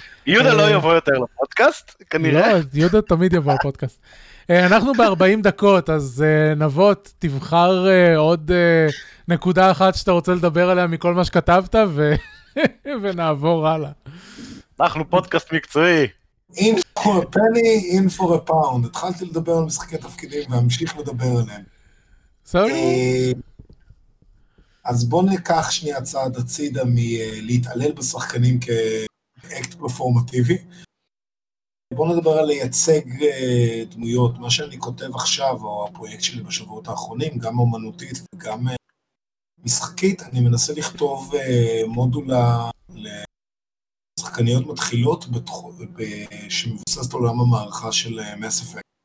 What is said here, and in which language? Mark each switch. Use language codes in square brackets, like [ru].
[he] יהודה לא יבוא יותר לפודקאסט, כנראה. לא, יהודה תמיד יבוא לפודקאסט. אנחנו ב-40 דקות, אז נבות, תבחר עוד נקודה אחת שאתה רוצה לדבר עליה מכל מה שכתבת, ונעבור הלאה. אנחנו פודקאסט מקצועי. [en] In for a penny, in for a pound. [he] התחלתי לדבר על משחקי תפקידים, והמשיך לדבר עליהם. סורי. אז בוא ניקח שנייה צעד הצידה מלהתעלל בשחקנים כאקט פרפורמטיבי. בוא נדבר על לייצג דמויות. מה שאני כותב עכשיו, או הפרויקט שלי בשבועות האחרונים, גם אומנותית וגם משחקית, אני מנסה לכתוב מודולה לשחקניות מתחילות שמבוססת עולם המערכה של Mass Effect.